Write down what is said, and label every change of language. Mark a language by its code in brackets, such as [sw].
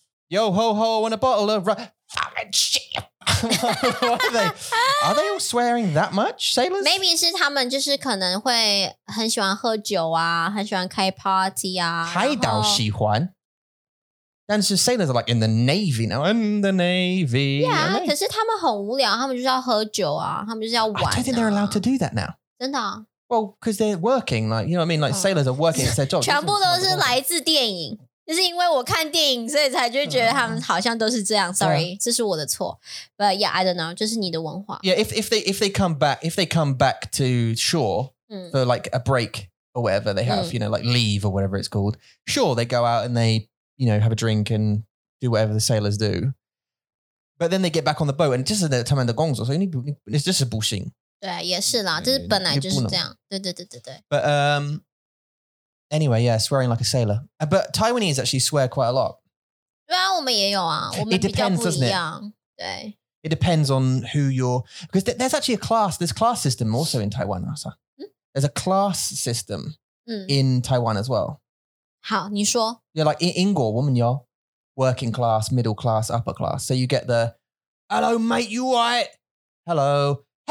[en] Yo, ho, ho, and a bottle of fucking shit. are they all swearing that much, sailors? Maybe it's just [zh] 他们就是可能会很喜欢喝酒啊，很喜欢开 party 啊。海岛喜欢。但是 [en] sailors are like in the navy now, in the navy. [zh] Yeah, 可是他们很无聊，他们就是要喝酒啊，他们就是要玩啊。 [en] I don't think they're allowed to do that now. [zh] 真的啊。 [en] Well, because they're working, like, you know what I mean? Like, sailors are working, it's their job. [zh] 全部都是来自电影。就是因为我看电影，所以才就觉得他们好像都是这样。 Sorry, 这是我的错。 [en] But yeah, I don't know, [zh] 就是你的文化。 [en] Yeah, if they come back to shore, for like a break or whatever they have, you know, like leave or whatever it's called, sure, they go out and they, you know, have a drink and do whatever the sailors do. But then they get back on the boat and just the time and the gongs, so it's just a bullshit. [zh] 对，也是啦，就是本来就是这样。对。 [en] But anyway, yeah, swearing like a sailor. But Taiwanese actually swear quite a lot. [zh] 对啊，我们也有啊，我们比较不一样。 [en] It depends, doesn't it? [zh] 对。 [en] It depends on who you're, because there's actually a class. There's class system also in Taiwan, also. There's a class system in Taiwan as well. [zh] 好，你说。 [en] Yeah, like in [zh] 英国, 我们有 [en] working class, middle class, upper class. So you get the, hello mate, you alright? Hello.